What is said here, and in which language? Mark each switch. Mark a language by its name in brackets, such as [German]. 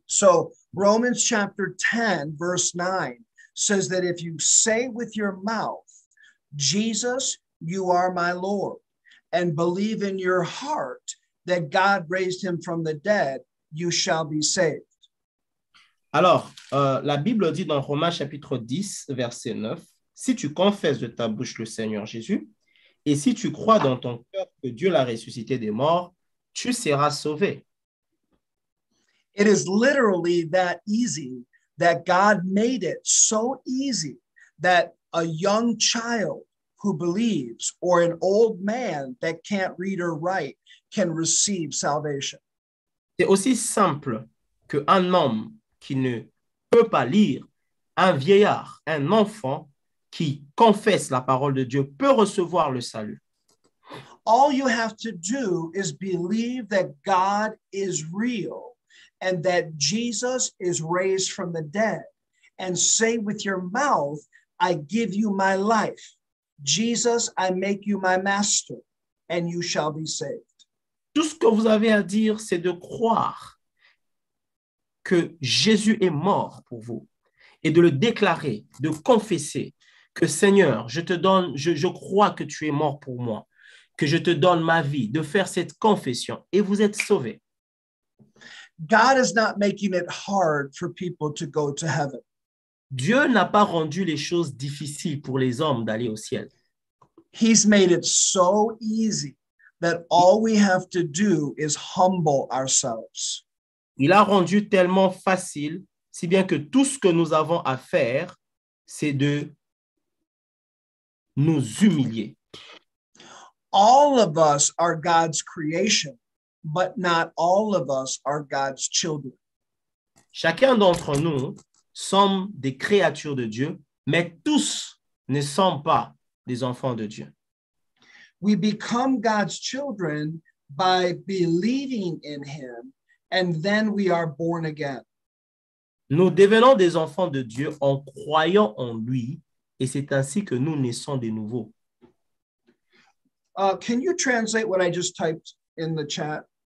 [English] So Romans chapter 10, verse 9 says that if you say with your mouth, Jesus, you are my Lord, and believe in your heart that God raised him from the dead, you shall be saved. [French] Alors, la Bible dit dans Romains chapitre 10, verset 9, si tu confesses de ta bouche le Seigneur Jésus, et si tu crois dans ton cœur que Dieu l'a ressuscité des morts, tu seras sauvé. [English] It is literally that easy that God made it so easy that a young child who believes, or an old man that can't read or write, can receive salvation. [French] C'est aussi simple qu'un homme qui ne peut pas lire, un vieillard, un enfant qui confesse la parole de Dieu peut recevoir le salut. [English] All you have to do is believe that God is real. And that Jesus is raised from the dead, and say with your mouth, I give you my life. Jesus, I make you my master, and you shall be saved. [French] Tout ce que vous avez à dire, c'est de croire que Jésus est mort pour vous et de le déclarer, de confesser que Seigneur, je te donne, je crois que tu es mort pour moi, que je te donne ma vie, de faire cette confession et vous êtes sauvé. [English] God is not making it hard for people to go to heaven. [French] Dieu n'a pas rendu les choses difficiles pour les hommes d'aller au ciel. [English] He's made it so easy that all we have to do is humble ourselves. [French] Il a rendu tellement facile, si bien que tout ce que nous avons à faire, c'est de nous humilier. [English] All of us are God's creation. But not all of us are God's children. [French] Chacun d'entre nous sommes des créatures de Dieu, mais tous ne sont pas des enfants de Dieu. [English] We become God's children by believing in Him, and then we are born again. [French] Nous devenons des enfants de Dieu en croyant en lui, et c'est ainsi que nous naissons de nouveau. [English] Can you translate what I just typed in the chat?